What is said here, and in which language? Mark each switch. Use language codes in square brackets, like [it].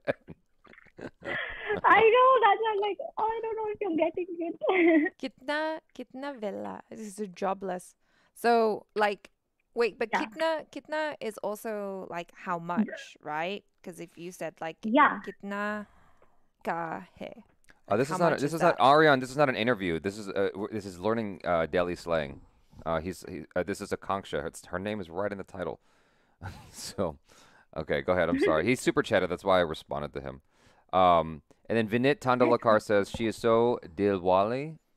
[en] I know, that's why I'm like, oh, I don't know if I'm getting it. [hi] kitna vela? [en] This is a jobless. So, like, wait, but yeah. kitna is also like how much, right? Because if you said like, yeah, [hi] कितना का है. [en] This is not an interview. This is learning Delhi slang. This is Akanksha. Her name is right in the title. So, okay, go ahead. I'm sorry. He's super chatted. That's why I responded to him. And then Vinit Tandalakar says, she is so Dilwali.